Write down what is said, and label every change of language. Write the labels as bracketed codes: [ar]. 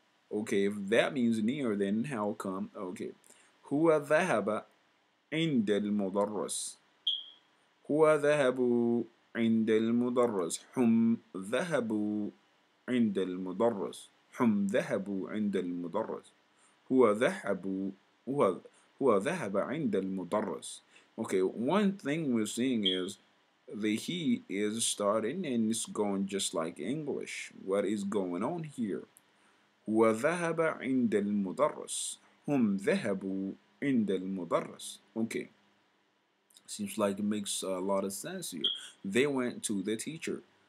[en] Okay, if that means near, then how come? Okay. [ar] هو ذهب عند المدرس. هو ذهب عند المدرس. هم ذهبوا عند المدرس هم ذهبوا عند المدرس هو ذهبوا هو ذهب عند المدرس. [en] Okay, one thing we're seeing is the he is starting and it's going just like English. What is going on here? [ar] هو ذهب عند المدرس هم ذهبوا عند المدرس. [en] Okay, seems like it makes a lot of sense here. They went to the teacher.